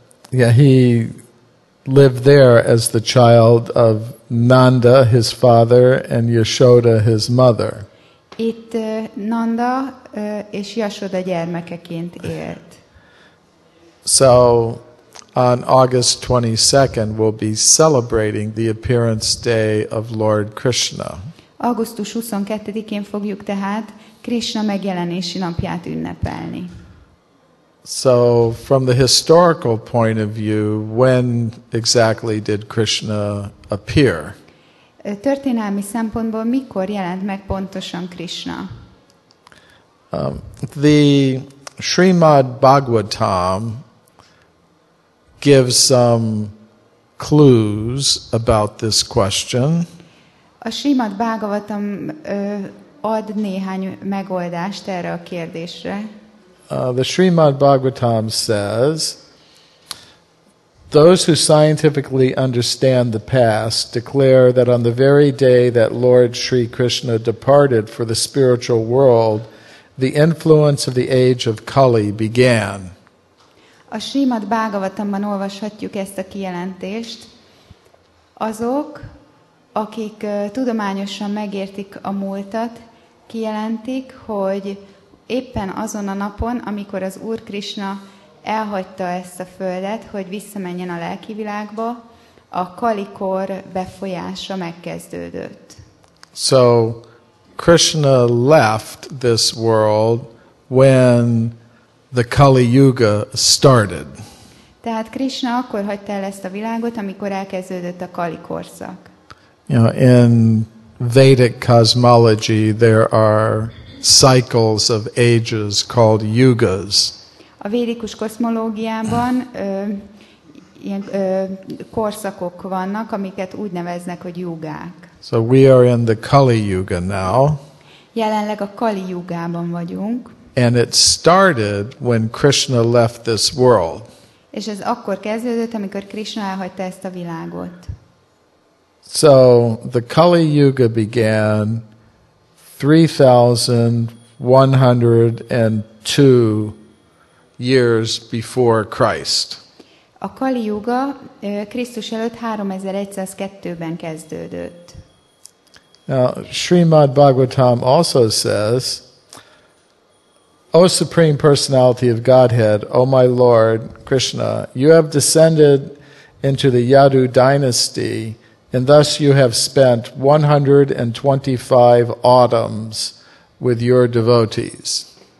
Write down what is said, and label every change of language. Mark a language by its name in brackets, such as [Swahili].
[English] He lived there as the child of Nanda, his father, and Yashoda, his mother. [Hungarian] Itt Nanda és Yashoda gyermekeként élt. [English] So, on August 22nd, we'll be celebrating the appearance day of Lord Krishna. [Hungarian] Augustus 22-én fogjuk tehát Krishna megjelenési napját ünnepelni. [English] So, from the historical point of view, when exactly did Krishna appear? [Hungarian] Történelmi szempontból mikor jelent meg pontosan Krishna? [English] The Srimad Bhagavatam gives some clues about this question. [Hungarian] A Srimad Bhagavatam ad néhány megoldást erre a kérdésre. [English] The Srimad Bhagavatam says, those who scientifically understand the past declare that on the very day that Lord Sri Krishna departed for the spiritual world, the influence of the age of Kali began. [Hungarian] A Srimad Bhagavatamban olvashatjuk ezt a kijelentést. Azok, akik tudományosan megértik a múltat, kijelentik, hogy éppen azon a napon, amikor az Úr Krishna elhagyta ezt a földet, hogy visszamenjen a lelki világba, a Kali-kor befolyása megkezdődött. [English] So, Krishna left this world when the Kali Yuga started. [Hungarian] Tehát Krishna akkor hagyta el ezt a világot, amikor elkezdődött a Kali korszak. [English] You know, in Vedic cosmology there are cycles of ages called yugas. [Hungarian] A védikus kozmológiában ilyen korszakok vannak, amiket úgy neveznek, hogy yugák. [English] So we are in the Kali Yuga now. [Hungarian] Jelenleg a Kali Yugában vagyunk. [English] And it started when Krishna left this world. [Hungarian] És ez akkor kezdődött, amikor Krishna elhagyta ezt a világot. [English] So the Kali Yuga began 3102 years before Christ. [Hungarian] A Kali Yuga Krisztus előtt 3102-ben kezdődött. [English] Now, Srimad Bhagavatam also says, O Supreme Personality of Godhead, O my Lord Krishna, you have descended into the Yadu dynasty, and thus you have spent 125 autumns with your devotees.